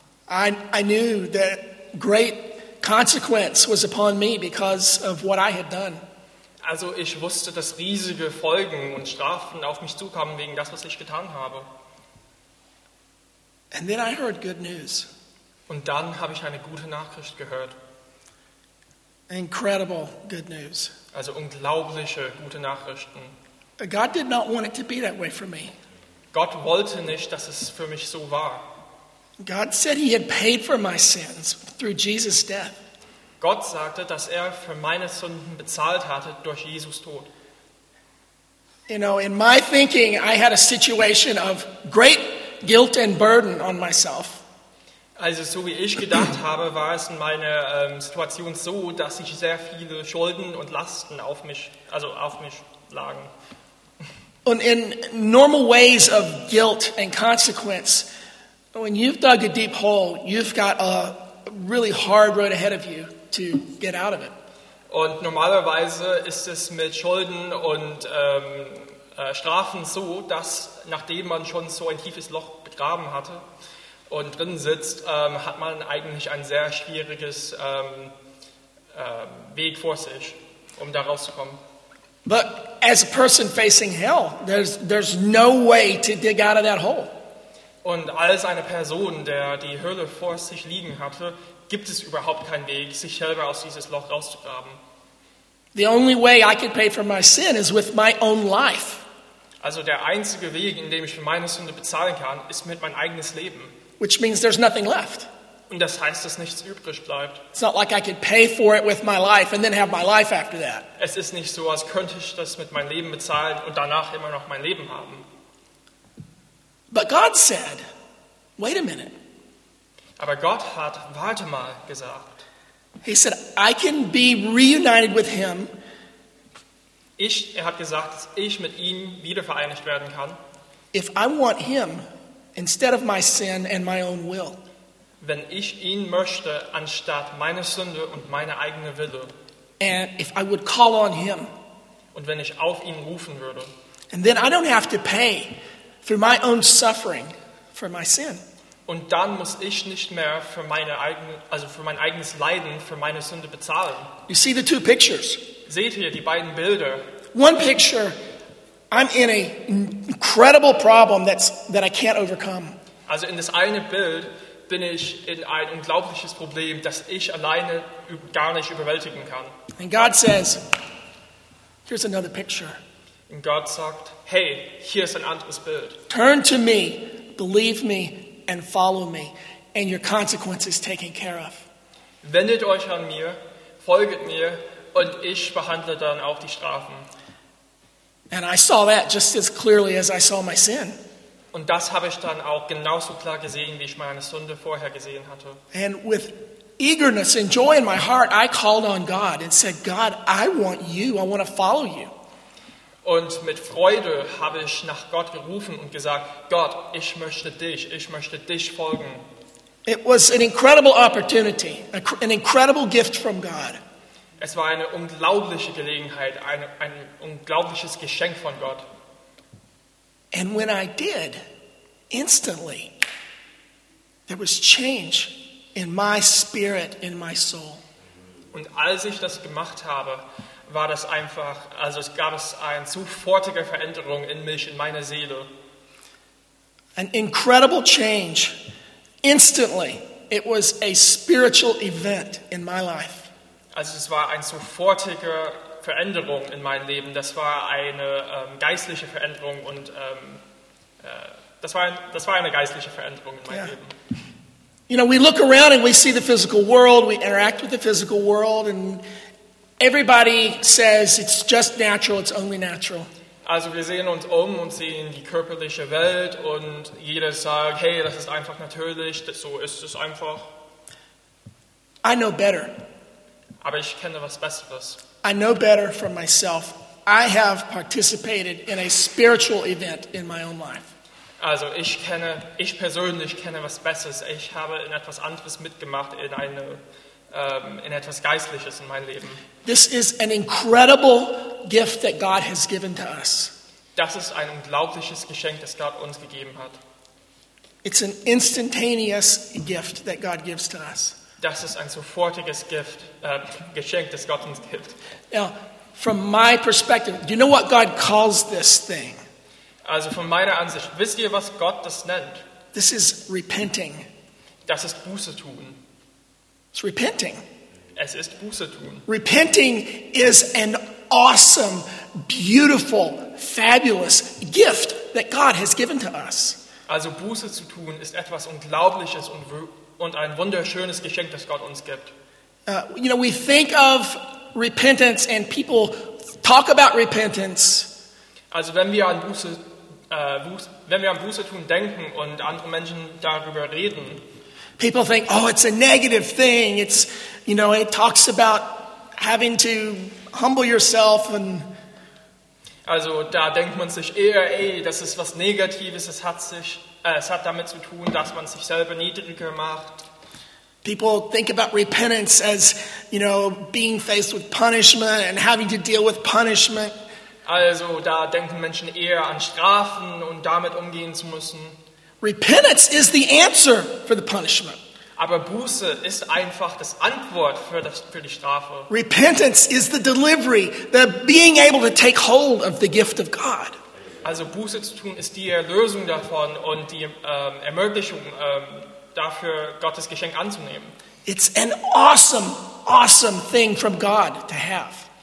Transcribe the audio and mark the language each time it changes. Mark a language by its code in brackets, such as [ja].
[en] I knew that great consequence was upon me because of what I had done. [de] Also ich wusste, dass riesige Folgen und Strafen auf mich zukommen, wegen das, was ich getan habe. [en] And then I heard good news. [de] Und dann habe ich eine gute Nachricht gehört. [en] Incredible good news. [de] Also unglaubliche gute Nachrichten. [en] God did not want it to be that way for me. [de] Gott wollte nicht, dass es für mich so war. [en] God said he had paid for my sins through Jesus' death. [de] Gott sagte, dass er für meine Sünden bezahlt hatte durch Jesus' Tod. [en] You know, in my thinking, I had a situation of great guilt and burden on myself. [de] Also so wie ich gedacht habe, war es in meiner Situation so, dass ich sehr viele Schulden und Lasten auf mich lagen. Und [en] in normal ways of guilt and consequence, when you've dug a deep hole, you've got a really hard road ahead of you to get out of it. [de] Und normalerweise ist es mit Schulden und Strafen so, dass nachdem man schon so ein tiefes Loch begraben hatte und drin sitzt, hat man eigentlich ein sehr schwieriges Weg vor sich, um da rauszukommen. [en] But as a person facing hell, there's no way to dig out of that hole. [de] Und als eine Person, der die Hölle vor sich liegen hatte, gibt es überhaupt keinen Weg, sich selber aus dieses Loch rauszugraben. [en] The only way I could pay for my sin is with my own life. [de] Also der einzige Weg, in dem ich für meine Sünde bezahlen kann, ist mit mein eigenes Leben. [en] Which means there's nothing left. [de] Und das heißt, dass nichts übrig bleibt. [en] It's not like I could pay for it with my life and then have my life after that. [de] Es ist nicht so, als könnte ich das mit meinem Leben bezahlen und danach immer noch mein Leben haben. [en] But God said, wait a minute. [de] Aber Gott hat, warte mal, gesagt. [en] He said, I can be reunited with him. [de] Er hat gesagt, dass ich mit ihm wieder vereinigt werden kann. [en] If I want him instead of my sin and my own will. [de] Wenn ich ihn möchte anstatt meiner Sünde und meiner eigenen Wille. [en] And if I would call on him. [de] und wenn ich auf ihn rufen würde. [en] And then I don't have to pay through my own suffering for my sin. [de] Und dann muss ich nicht mehr für mein eigenes Leiden, für meine Sünde bezahlen. [en] You see the two pictures. [de] Seht ihr die beiden Bilder? [en] One picture, I'm in an incredible problem that I can't overcome. [de] Also in das eine Bild bin ich in ein unglaubliches Problem, das ich alleine gar nicht überwältigen kann. [en] And God says, here's another picture. [de] Und Gott sagt, hey, hier ist ein anderes Bild. [en] Turn to me, believe me, and follow me, and your consequences taken care of. [de] Wendet euch an mir, folget mir, und ich behandle dann auch die Strafen. [en] And I saw that just as clearly as I saw my sin. [de] Und das habe ich dann auch genauso klar gesehen, wie ich meine Sünde vorher gesehen hatte. [en] And with eagerness and joy in my heart, I called on God and said, God, I want you, I want to follow you. [de] Und mit Freude habe ich nach Gott gerufen und gesagt, Gott, ich möchte dich folgen. [en] It was an incredible opportunity, an incredible gift from God. [de] Es war eine unglaubliche Gelegenheit, ein unglaubliches Geschenk von Gott. [en] And when I did, instantly, there was change in my spirit, in my soul. [de] Und als ich das gemacht habe, war das einfach, also es gab es eine sofortige Veränderung in mich, in meiner Seele. [en] An incredible change. Instantly, it was a spiritual event in my life. [de] Also es war eine sofortige Veränderung in meinem Leben. Das war eine geistliche Veränderung und das war eine geistliche Veränderung in meinem Leben. [en] You know, we look around and we see the physical world, we interact with the physical world and everybody says it's just natural, it's only natural. [de] Also wir sehen uns um und sehen die körperliche Welt und jeder sagt, hey, das ist einfach natürlich, so ist es einfach. [en] I know better. [de] Aber ich kenne was Besseres. [en] I know better for myself. I have participated in a spiritual event in my own life. [de] Also ich persönlich kenne was Besseres. Ich habe in etwas anderes mitgemacht, in etwas Geistliches in meinem Leben. [en] This is an incredible gift that God has given to us. [de] Das ist ein unglaubliches Geschenk, das Gott uns gegeben hat. [en] It's an instantaneous gift that God gives to us. [de] Das ist ein sofortiges Gift, Geschenk, das Gott uns gibt. [en] Now, from my perspective, do you know what God calls this thing? [de] Also von meiner Ansicht, wisst ihr, was Gott das nennt? [en] This is repenting. [de] Das ist Buße tun. [en] It's repenting. [de] Es ist Buße tun. [en] Repenting is an awesome, beautiful, fabulous gift that God has given to us. [de] Also Buße zu tun ist etwas Unglaubliches und ein wunderschönes Geschenk, das Gott uns gibt. [en] You know, we think of repentance and people talk about repentance. [de] Also wenn wir an Buße, wenn wir an Buße tun denken und andere Menschen darüber reden, [en] people think, oh, it's a negative thing. It's, you know, it talks about having to humble yourself and. [de] Also da denkt man sich eher, ey, das ist was Negatives. Es hat damit zu tun, dass man sich selber niedriger macht. [en] People think about repentance as, you know, being faced with punishment and having to deal with punishment. [de] Also da denken Menschen eher an Strafen und damit umgehen zu müssen. [en] Repentance is the answer for the punishment. [de] Aber Buße ist einfach das Antwort für die Strafe. [en] Repentance is the delivery, the being able to take hold of the gift of God. [de] Also Buße zu tun ist die Erlösung davon und die Ermöglichung dafür, Gottes Geschenk anzunehmen. [en] It's an awesome, awesome thing from God to have.